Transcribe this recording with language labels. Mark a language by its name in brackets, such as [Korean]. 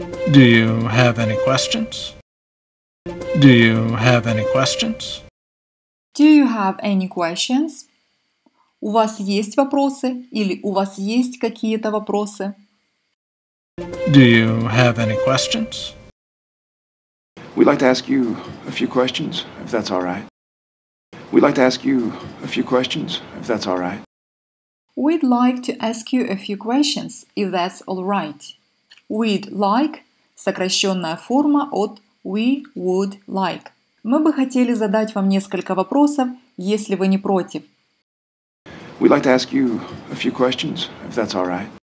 [English] Do you have any questions? Do you have any questions? Do you have any questions? [Russian] У вас есть вопросы или у вас есть какие-то вопросы? [English] Do you have any questions? We'd like to ask you a few questions, if that's all right. We'd like to ask you a few questions, if that's all right. We'd like to ask you a few questions, if that's all right. We'd like – [Russian] сокращенная форма от [English] we would like. [Russian] Мы бы хотели задать вам несколько вопросов, если вы не против. [English] We'd like to ask you a few questions, if that's all right.